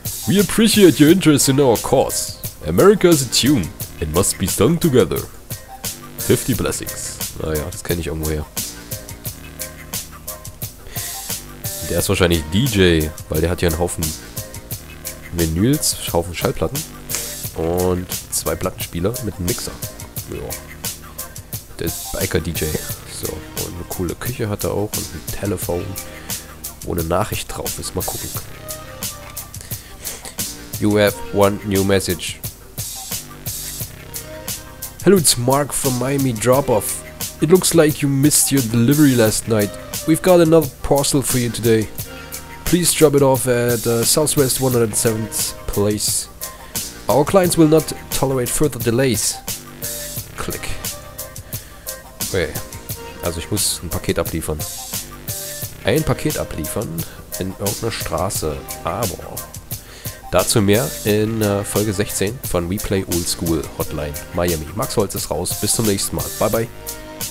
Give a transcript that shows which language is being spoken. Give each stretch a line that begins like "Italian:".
English: We appreciate your interest in our cause. America is a tune and must be sung together. 50 blessings.
German: Ah ja, das kenne ich irgendwoher. Der ist wahrscheinlich DJ, weil der hat hier einen Haufen Vinyls, Haufen Schallplatten und zwei Plattenspieler mit einem Mixer. Ja. Der ist Biker-DJ. So, und eine coole Küche hat er auch und ein Telefon, wo eine Nachricht drauf ist. Mal gucken.
English: You have one new message. Hello, it's Mark from Miami Drop-Off. It looks like you missed your delivery last night. We've got another parcel for you today. Please drop it off at Southwest 107th Place. Our clients will not tolerate further delays. Click. Okay.
German: Also ich muss ein Paket abliefern. Ein Paket abliefern in irgendeiner Straße. Aber dazu mehr in Folge 16 von We Play Old School Hotline Miami. Max Holz ist raus. Bis zum nächsten Mal. Bye bye.